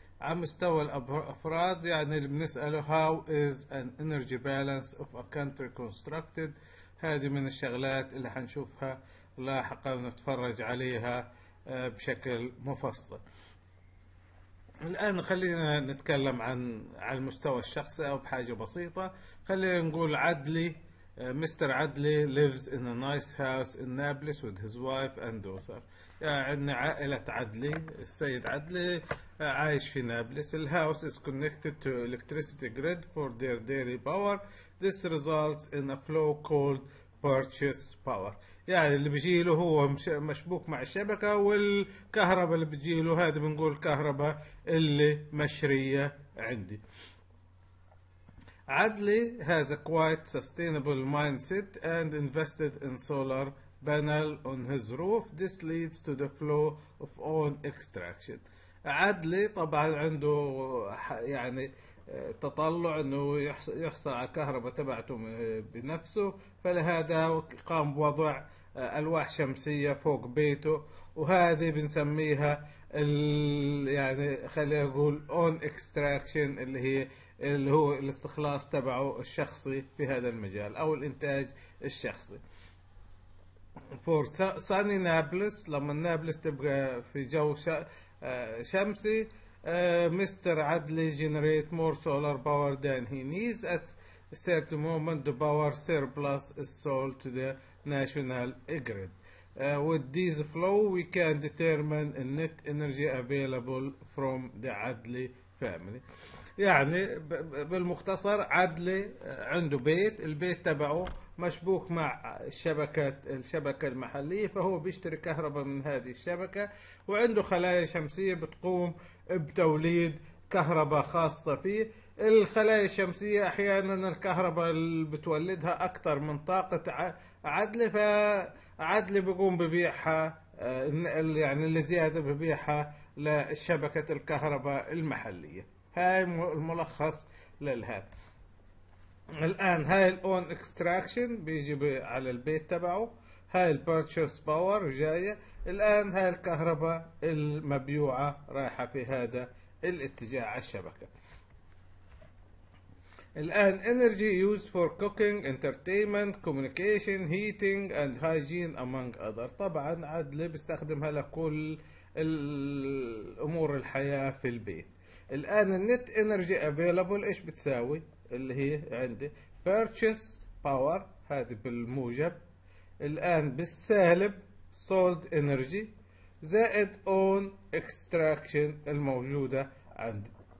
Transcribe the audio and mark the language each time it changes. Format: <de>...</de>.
<ar>على مستوى الأفراد يعني اللي بنسأله</ar> <en>how is an energy balance of a country constructed،</en> <ar>هذه من الشغلات اللي حنشوفها لاحقا ونتفرج عليها بشكل مفصل. الآن خلينا نتكلم عن على المستوى الشخصي أو بحاجة بسيطة. خلينا نقول</ar> <en>عدلي، مستر عدلي lives in a nice house in Nablus with his wife and daughter.</en> <ar>يعني عائلة عدلي، السيد عدلي عايش في نابلس.</ar> <en>The house is connected to electricity grid for their daily power. This results in a flow called purchase power.</en> <ar>يعني اللي بيجي له هو مشبوك مع الشبكة، والكهرباء اللي بيجي له هذا بنقول الكهرباء اللي مشرية عندي.</ar> <en>عدلي has a quite sustainable mindset and invested in solar panel on his roof. This leads to the flow of own extraction.</en> <ar>عدلي طبعا عنده يعني تطلع انه يحصل على الكهرباء تبعته بنفسه، فلهذا قام بوضع ألواح شمسية فوق بيته، وهذه بنسميها يعني خلينا نقول اون اكستراكشن، اللي هو الاستخلاص تبعه الشخصي في هذا المجال او الانتاج الشخصي.</ar> <en>فور ساني نابلس، لما نابلس تبقى في جو شمسي، مستر عدلي جنريت مور سولار باور ذان هي نيدز ات سيرت مومنت. ذا باور سيربلس از سولد تو ذا ناشونال جريد. With this flow we can determine the net energy available from the Adli family.</en> <ar>يعني بالمختصر عدلي عنده بيت، البيت تبعه مشبوك مع الشبكة المحلية، فهو بيشتري كهرباء من هذه الشبكة، وعنده خلايا شمسية بتقوم بتوليد كهرباء خاصة فيه. الخلايا الشمسية أحيانا الكهرباء اللي بتولدها أكثر من طاقة عدلي، فعدلي بيقوم ببيعها يعني اللي زيادة ببيعها لشبكة الكهرباء المحلية. هاي الملخص للهات. الآن هاي الاون اكستراكشن بيجي على البيت تبعه، هاي البيرتشيس باور جاية، الآن هاي الكهرباء المبيوعة رايحة في هذا الاتجاه على الشبكة. الآن</ar> <en>energy used for cooking, entertainment, communication, heating and hygiene among other.</en> <ar>طبعا عدلي بيستخدمها لكل الأمور الحياة في البيت. الآن النت energy available إيش بتساوي؟ اللي هي عندي purchase power، هذه بالموجب. الآن بالسالب sold energy زائد own extraction الموجودة عندي.</ar>